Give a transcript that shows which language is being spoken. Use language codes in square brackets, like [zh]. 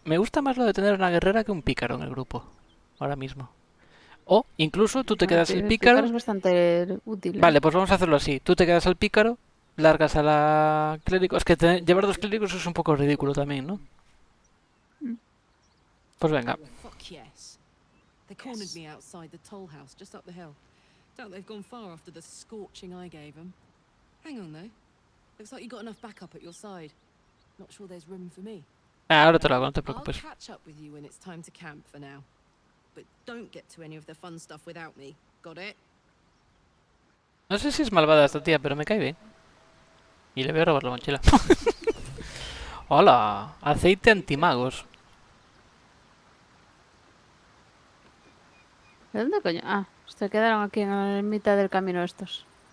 [es] Me gusta más lo de tener una guerrera que un pícaro en el grupo. Ahora mismo. O, incluso, tú te quedas el pícaro... El pícaro es bastante útil. Vale, pues vamos a hacerlo así. Tú te quedas al pícaro, largas a la clérigo... Es que llevar dos clérigos es un poco ridículo también, ¿no? Pues venga. [en] Yes. They cornered me outside the toll house just up the hill. Doubt they've gone far after the scorching I gave them. Hang on though. Looks like you got enough backup at your side. Not sure there's room for me. [es] Ahora te lo hago, no te preocupes. [en] I'll catch up with you when it's time to camp for now. But don't get to any of the fun stuff without me. Got it? [es] No sé si es malvada esta tía, pero me cae bien. Y le voy a robar la mochila. ¡Hola! Aceite antimagos. ¿Dónde coño? Ah, se quedaron aquí en mitad del camino estos.